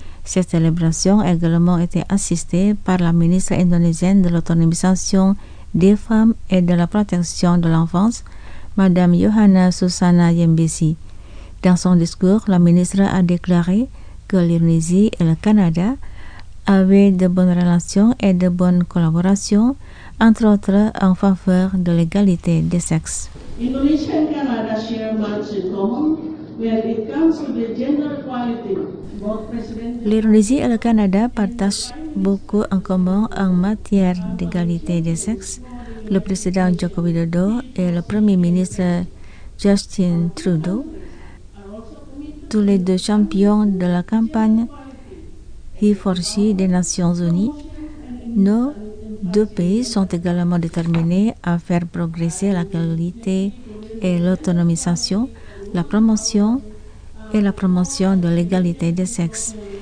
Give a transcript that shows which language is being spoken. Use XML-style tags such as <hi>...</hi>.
<fr>Cette célébration a également été assistée par la ministre indonésienne de l'autonomisation des femmes et de la protection de l'enfance, Madame Yohana Susana Yembisi. Dans son discours, la ministre a déclaré que l'Indonésie et le Canada avaient de bonnes relations et de bonnes collaborations, entre autres en faveur de l'égalité des sexes.</fr> <en>Indonesia and Canada share much in common when it comes to the gender equality.</en> <fr>L'Indonésie et le Canada partagent beaucoup en commun en matière d'égalité des sexes. Le président Joko Widodo et le premier ministre Justin Trudeau, tous les deux champions de la campagne He for She des Nations Unies, nos deux pays sont également déterminés à faire progresser la qualité et l'autonomisation, la promotion et la promotion de l'égalité des sexes.</fr>